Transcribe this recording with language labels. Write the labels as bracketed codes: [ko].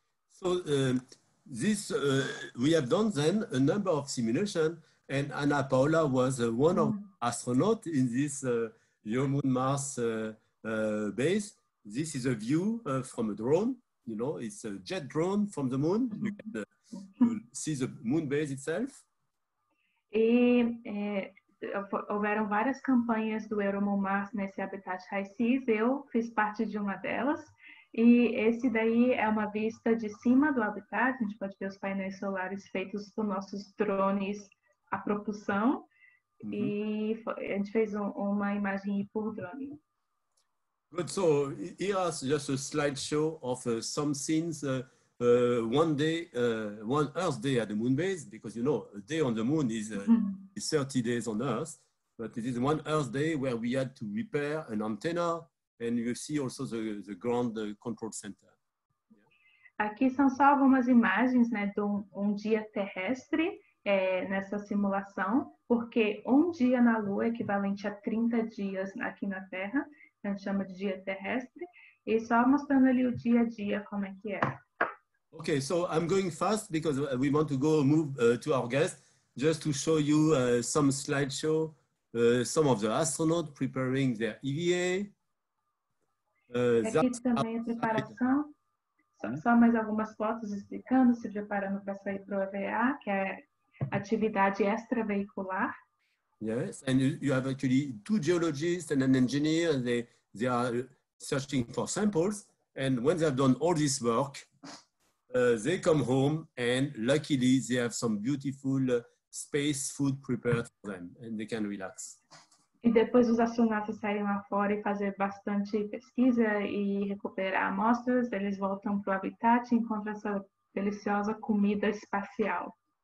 [en] So this we have done then a number of simulations, and Ana Paula was one of astronauts in this Your Moon Mars base. This is a view from a drone. You know, it's a jet drone from the moon. You can see the moon base itself. [pt] E houveram várias campanhas do Euromoon Mars nesse habitat High Seas. Eu fiz parte de uma delas. E esse daí é uma vista de cima do habitat. A gente pode ver os painéis solares feitos por nossos drones a propulsão. Uh-huh. E a gente fez uma imagem por drone. [en] Good. So here is just a slideshow of some scenes. One day, one Earth day at the moon base, because you know, a day on the moon is, is 30 days on Earth, but it is one Earth day where we had to repair an antenna, and you see also the ground control center. Yeah. [pt] Aqui são só algumas imagens, né, de um dia terrestre nessa simulação, porque um dia na Lua é equivalente a 30 dias aqui na Terra. A gente chama de dia terrestre, e só mostrando ali o dia a dia como é que é. [en] Okay, so I'm going fast because we want to go move to our guest, just to show you some slideshow, some of the astronauts preparing their EVA. [pt] Aqui também a preparação, só mais algumas fotos explicando, se preparando para sair para o EVA, que é atividade extraveicular. [en] Yes, and you have actually two geologists and an engineer, and they are searching for samples. And when they have done all this work, they come home, and luckily they have some beautiful space food prepared for them, and they can relax. [pt] E depois os astronautas saem lá fora e fazer bastante pesquisa e recuperar amostras, eles voltam para o habitat e encontram essa deliciosa comida espacial.